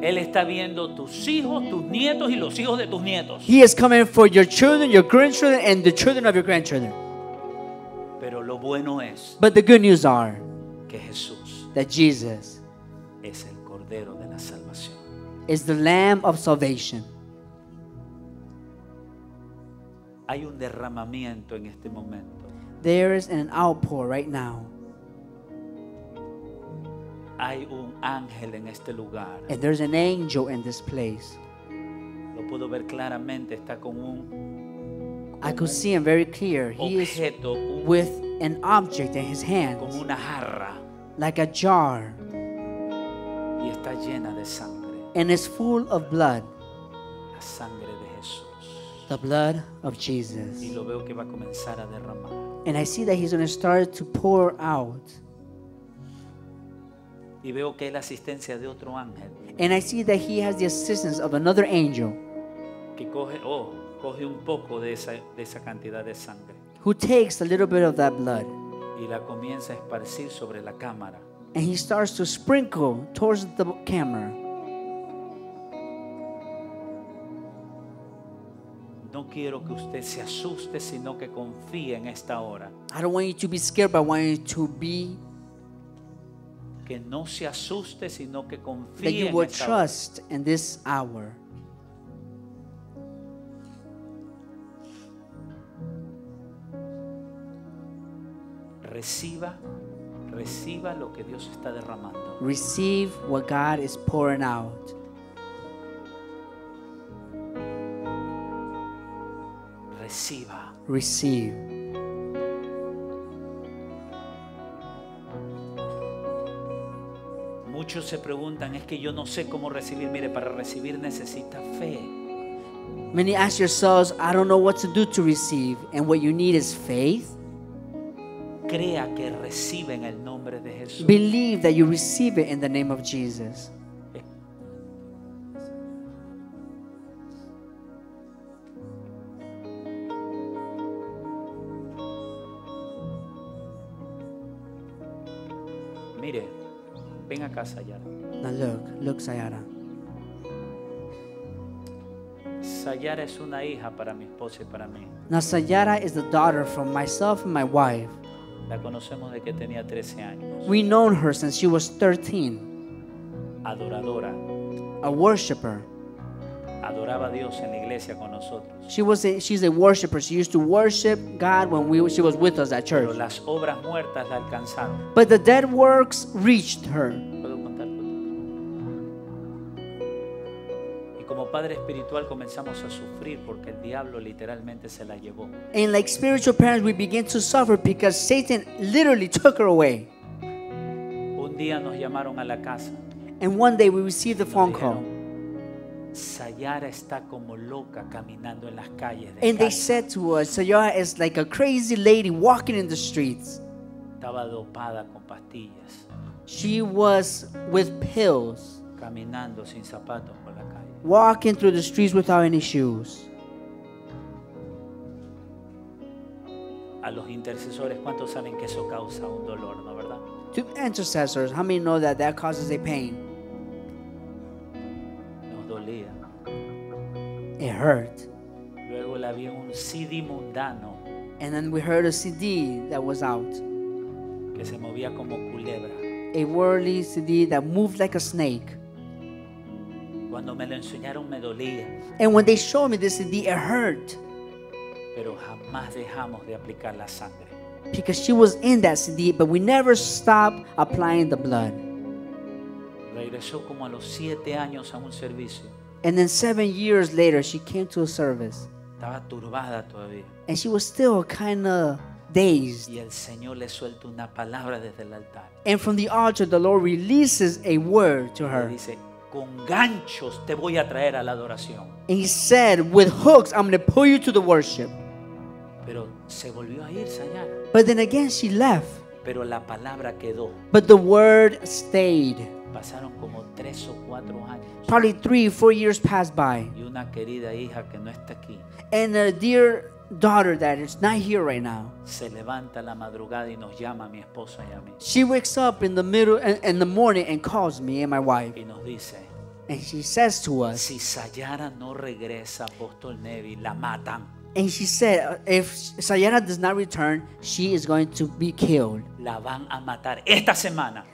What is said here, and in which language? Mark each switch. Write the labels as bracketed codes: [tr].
[es] él está viendo tus hijos, tus nietos y los hijos de tus nietos. [en] He is coming for your children, your grandchildren, and the children of your grandchildren. [es] Pero lo bueno es, [en] but the good news are, [es] que Jesús, [en] that Jesus [es] es el cordero de la salvación. [en] Is the Lamb of salvation. [es] Hay un derramamiento en este momento. [en] There is an outpour right now. [es] Hay un ángel en este lugar. [en] And there's an angel in this place. [es] Lo puedo ver claramente, está con un [en] I could see him very clear. [es] Objeto, [en] he is with an object in his hand, [es] como una jarra, [en] like a jar, [es] y está llena de sangre, [en] and it's full of blood. [es] La sangre de Jesús. [en] The blood of Jesus. [es] Y lo veo que va a comenzar a derramar. [en] And I see that he's going to start to pour out. [es] Y veo que es la asistencia de otro ángel. [en] And I see that he has the assistance of another angel. [es] Que coge, oh, coge un poco de esa cantidad de sangre. [en] Who takes a little bit of that blood. [es] Y la comienza a esparcir sobre la cámara. [en] And he starts to sprinkle towards the camera. [es] No quiero que usted se asuste, sino que confíe en esta hora. [en] I don't want you to be scared, but I want you to be [es] que no se asuste, sino que confíe [en] that you [es] en [en] will [es] esta [en] trust [es] hora. [en] In this hour. [es] Reciba lo que Dios está derramando. [en] Receive what God is pouring out. [es] Reciba. [en] Receive. [es] Muchos se preguntan, es que yo no sé cómo recibir. Mire, para recibir necesita fe. [en] Many ask yourselves, I don't know what to do to receive, and what you need is faith. [es] Crea que recibe en el nombre de Jesús. [en] Believe that you receive it in the name of Jesus. [es] Mire, ven acá, Sayara. [en] Now look, Sayara. [es] Sayara es una hija para mi esposa y para mí. [en] Now Sayara is the daughter from myself and my wife. [es] La conocemos de que tenía 13 años. [en] We known her since she was 13. [es] Adoradora. [en] A worshiper. [es] Adoraba a Dios en la iglesia con nosotros. [en] She's a worshiper. She used to worship God when she was with us at church. [es] Pero las obras muertas la alcanzaron. [en] But the dead works reached her. [es] ¿Puedo contar? Y como padre espiritual comenzamos a sufrir porque el diablo literalmente se la llevó. [en] And like spiritual parents we begin to suffer because Satan literally took her away. [es] Un día nos llamaron a la casa. [en] And one day we received the phone call. [es] Sayara está como loca caminando en las calles. [en] And they said to us, Sayara is like a crazy lady walking in the streets. [es] Estaba dopada con pastillas. [en] She was with pills. [es] Caminando sin zapatos por la calle. [en] Walking through the streets without any shoes. [es] A los intercesores, ¿cuántos saben que eso causa un dolor, no verdad? [en] To intercessors, how many know that causes a pain? It hurt. [es] Luego la vi un CD mundano. [en] And then we heard a CD that was out. [es] Que se movía como culebra. [en] A worldly CD that moved like a snake. [es] Cuando me lo enseñaron me dolía. [en] And when they showed me this CD, it hurt. [es] Pero jamás dejamos de aplicar la sangre. [en] Because she was in that CD, but we never stopped applying the blood. [es] Regresó como a los 7 años a un servicio. [en] And then 7 years later, she came to a service. [es] Estaba turbada todavía. [en] And she was still kind of dazed. [es] Y el Señor le suelta una palabra desde el altar. [en] And from the altar, the Lord releases a word to her. [es] Y dice, con ganchos te voy a traer a la adoración. [en] And he said, with hooks, I'm going to pull you to the worship. [es] Pero se volvió a ir, Sayara. [en] But then again, she left. [es] Pero la palabra quedó. [en] But the word stayed. [es] Pasaron como 3 o 4 años. [en] Probably 3 or 4 years passed by. [es] Y una querida hija que no está aquí. [en] And a dear daughter that is not here right now. [es] Se levanta la madrugada y nos llama mi esposa y a mí. [en] She wakes up in the middle in the morning and calls me and my wife. [es] Y nos dice. [en] And she says to us. [es] Si Sayara no regresa, Apóstol Nevi, la matan. [en] And she said, if Sayana does not return, she is going to be killed. [es] La van a matar esta semana.